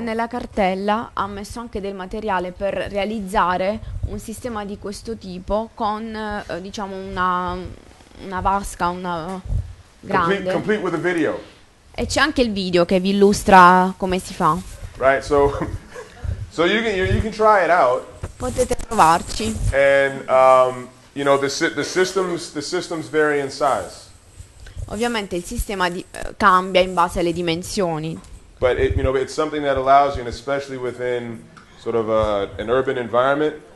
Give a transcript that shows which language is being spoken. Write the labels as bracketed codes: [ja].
[it] Nella cartella ha messo anche del materiale per realizzare un sistema di questo tipo con diciamo una vasca, una grande. [en] Complete with a video. [it] E c'è anche il video che vi illustra come si fa. [en] Right, so you can try it out. [it] Potete provarci. [en] And you know, the systems vary in size. [it] Ovviamente il sistema cambia in base alle dimensioni. [en] But it, you know, it's something that allows you, and especially within sort of an urban environment,